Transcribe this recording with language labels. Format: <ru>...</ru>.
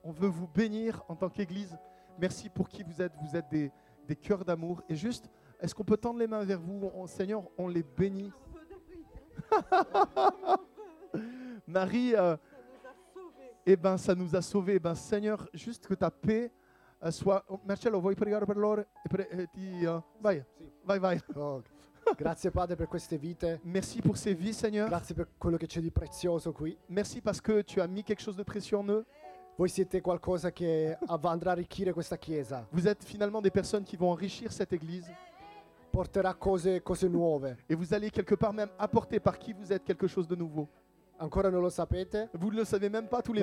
<fr>On veut vous bénir en tant qu'église. Merci pour qui vous êtes. Vous êtes des cœurs d'amour. Et juste, est-ce qu'on peut tendre les mains vers vous ? Seigneur, on les bénit. Marie, eh bien, ça nous a sauvés. Eh bien, Seigneur, juste que ta paix soit...</fr> <it>Marcello, vuoi pregare per loro? Vai. Oh, grazie, Padre, per queste vite.</it> <fr>Merci pour ces vies, Seigneur.</fr> <it>Grazie per quello che c'è di prezioso qui.</it> <fr>Merci parce que tu as mis quelque chose de précieux en eux.</fr> <it>Voi siete qualcosa che andrà a arricchire questa chiesa.</it> <fr>Vous êtes finalement des personnes qui vont enrichir cette église.</fr> <it>Porterà cose nuove.</it> <fr>Et vous allez quelque part même apporter par qui vous êtes quelque chose de nouveau.</fr> <it>Ancora non lo sapete.</it> <fr>Vous ne le savez même pas tous les</fr>